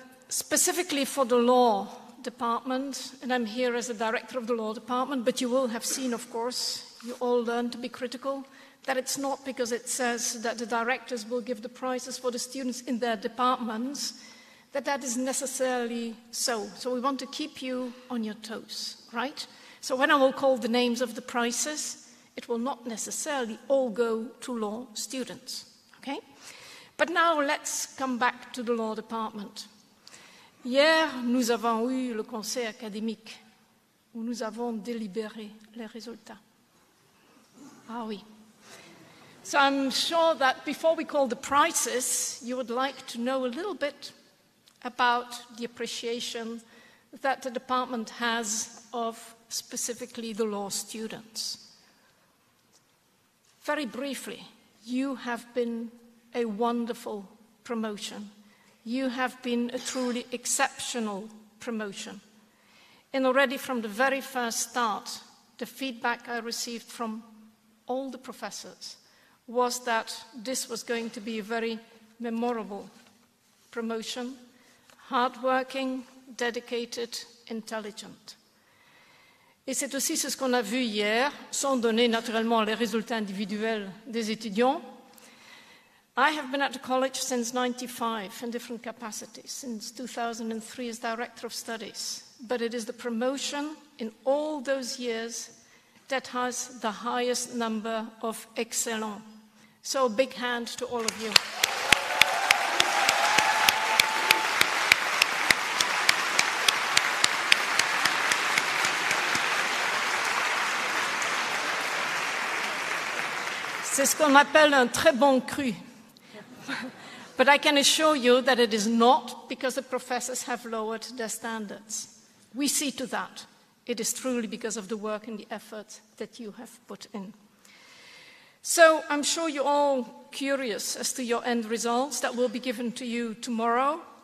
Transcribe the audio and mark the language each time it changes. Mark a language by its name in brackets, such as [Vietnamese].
[English] Specifically for the law department, and I'm here as a director of the law department, but you will have seen, of course, you all learn to be critical, that it's not because it says that the directors will give the prizes for the students in their departments, that is necessarily so. So we want to keep you on your toes, right? So when I will call the names of the prizes, it will not necessarily all go to law students, okay? But now let's come back to the law department. [French] Hier, nous avons eu le conseil académique où nous avons délibéré les résultats. Ah oui. [English] So I'm sure that before we call the prizes, you would like to know a little bit about the appreciation that the department has of specifically the law students. Very briefly, you have been a wonderful promotion. You have been a truly exceptional promotion. And already from the very first start, the feedback I received from all the professors was that this was going to be a very memorable promotion, hardworking, dedicated, intelligent. [French] Et c'est aussi ce qu'on a vu hier, sans donner naturellement les résultats individuels des étudiants. [English] I have been at the college since 1995 in different capacities, since 2003 as director of studies. But it is the promotion in all those years that has the highest number of excellents. So a big hand to all of you. [French] C'est ce qu'on appelle un très bon cru. [English] But I can assure you that it is not because the professors have lowered their standards. We see to that. It is truly because of the work and the effort that you have put in. So I'm sure you're all curious as to your end results that will be given to you tomorrow.